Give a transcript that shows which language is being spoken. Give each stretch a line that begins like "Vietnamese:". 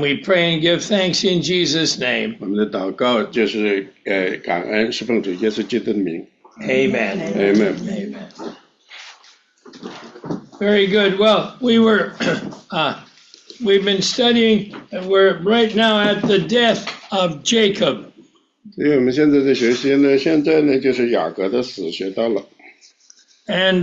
English: we pray and give thanks in Jesus' name.
Chinese: 我们的祷告就是感恩，是奉主耶稣基督的名。Amen.
English: Amen. Amen. Very good. Well, we were, we've been studying, and we're right now at the death of Jacob.
Chinese: 所以我们现在在学习呢，现在呢就是雅各的死学到了。And